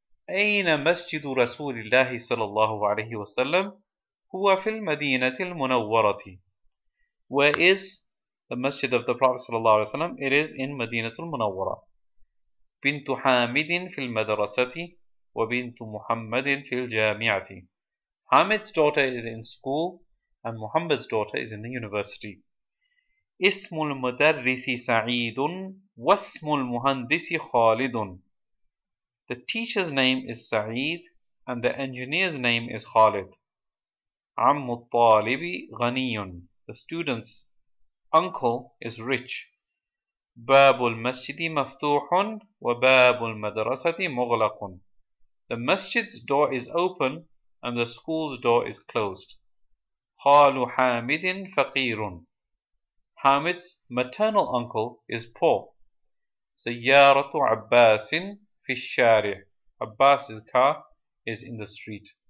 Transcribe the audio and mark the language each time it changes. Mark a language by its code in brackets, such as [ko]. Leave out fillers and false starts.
[ar] أين مسجد رسول الله صلى الله عليه وسلم? هو في المدينة المنورة. [en] Where is the Masjid of the Prophet [ar] صلى الله عليه وسلم? [en] It is in مدينة المنورة. [ar] بنت حامد في المدرسة وبنت محمد في الجامعة. [en] Hamid's daughter is in school and Muhammad's daughter is in the university. [ar] اسم المدرس سعيد واسم المهندس خالد. [en] The teacher's name is Sa'id and the engineer's name is Khalid. [ar] عم الطالب غني. [en] The student's uncle is rich. [ar] باب المسجد مفتوح وباب المدرسة مغلق. [en] The masjid's door is open and the school's door is closed. [ar] خال حامد فقير. [en] Hamid's maternal uncle is poor. [ar] سيارة عباس في الشارع. [en] Abbas's car is in the street.